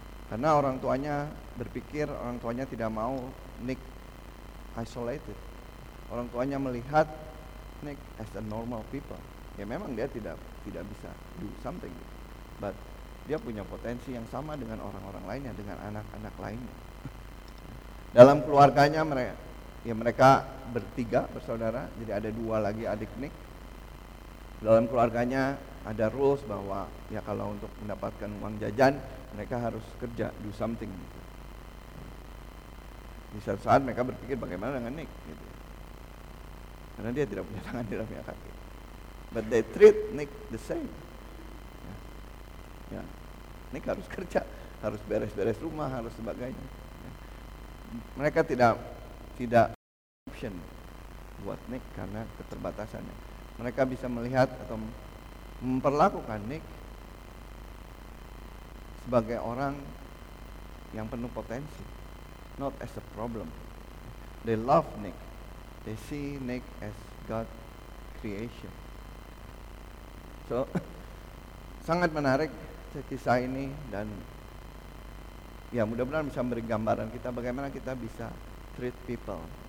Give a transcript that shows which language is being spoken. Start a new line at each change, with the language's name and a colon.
Indonesian: Karena orang tuanya berpikir, orang tuanya tidak mau Nick isolated. Orang tuanya melihat Nick
English: as a normal people.
Indonesian: Ya memang dia tidak bisa
English: do something, but
Indonesian: dia punya potensi yang sama dengan orang-orang lainnya, dengan anak-anak lainnya. Dalam keluarganya mereka bertiga bersaudara, jadi ada dua lagi adik Nick. Dalam keluarganya ada rules bahwa ya kalau untuk mendapatkan uang jajan, mereka harus kerja,
English: do something.
Indonesian: Di suatu saat mereka berpikir bagaimana dengan Nick, gitu. Karena dia tidak punya tangan, tidak punya kaki.
English: But they treat Nick the same.
Indonesian: Ya. Nick harus kerja, harus beres-beres rumah, harus sebagainya. Ya. Mereka tidak option buat Nick karena keterbatasannya. Mereka bisa melihat atau memperlakukan Nick sebagai orang yang penuh potensi,
English: not as a problem. They love Nick. They see Nick as God creation.
Indonesian: So, sangat menarik kisah ini dan ya mudah-mudahan bisa memberi gambaran kita bagaimana kita bisa
English: treat people.